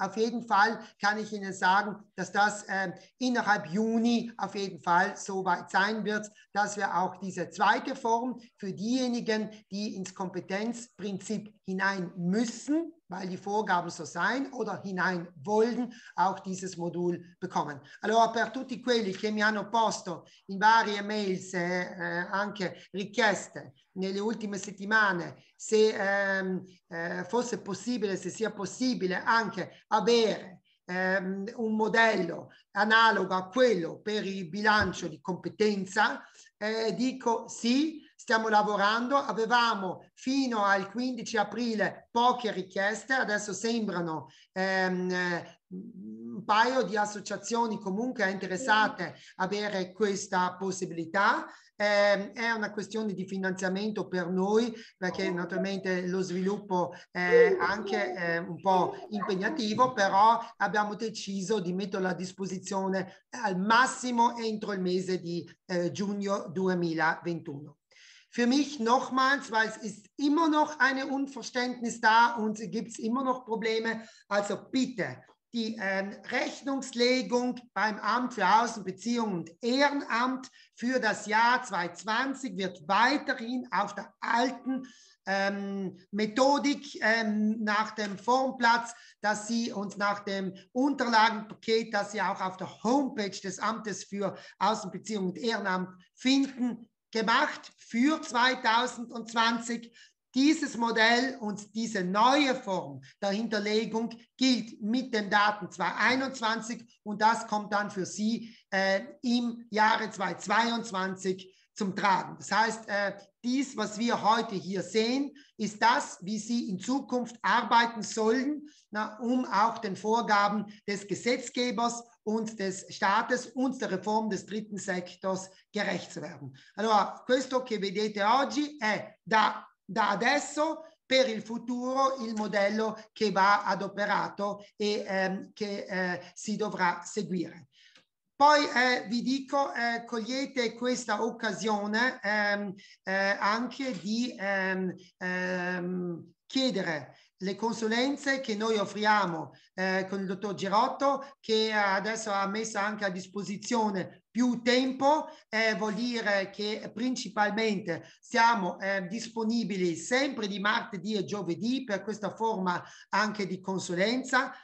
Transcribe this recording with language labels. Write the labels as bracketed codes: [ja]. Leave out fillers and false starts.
[de] Auf jeden Fall kann ich Ihnen sagen, dass das innerhalb Juni auf jeden Fall so weit sein wird, dass wir auch diese zweite Form für diejenigen, die ins Kompetenzprinzip hinein müssen, weil die Vorgaben so sein oder hinein wollen, auch dieses Modul bekommen. [it] Allora, per tutti quelli che mi hanno posto in varie mails anche richieste nelle ultime settimane, se fosse possibile, se sia possibile anche avere un modello analogo a quello per il bilancio di competenza, dico sì. Stiamo lavorando, avevamo fino al 15 aprile poche richieste, adesso sembrano un paio di associazioni comunque interessate a avere questa possibilità. È una questione di finanziamento per noi, perché naturalmente lo sviluppo è anche un po' impegnativo, però abbiamo deciso di metterlo a disposizione al massimo entro il mese di giugno 2021. [de] Für mich nochmals, weil es ist immer noch eine Unverständnis da und gibt es immer noch Probleme. Also bitte, die Rechnungslegung beim Amt für Außenbeziehungen und Ehrenamt für das Jahr 2020 wird weiterhin auf der alten Methodik nach dem Formplatz, dass Sie uns nach dem Unterlagenpaket, das Sie auch auf der Homepage des Amtes für Außenbeziehungen und Ehrenamt finden, gemacht für 2020. Dieses Modell und diese neue Form der Hinterlegung gilt mit den Daten 2021 und das kommt dann für Sie im Jahre 2022 zum Tragen. Das heißt, dies, was wir heute hier sehen, ist das, wie Sie in Zukunft arbeiten sollen, um auch den Vorgaben des Gesetzgebers und des Staates und der Reform des dritten Sektors gerecht zu werden. [it] Allora, questo che vedete oggi è da adesso per il futuro il modello che va adoperato e che si dovrà seguire. Poi vi dico, cogliete questa occasione anche di chiedere le consulenze che noi offriamo con il dottor Girotto, che adesso ha messo anche a disposizione più tempo, vuol dire che principalmente siamo disponibili sempre di martedì e giovedì per questa forma anche di consulenza.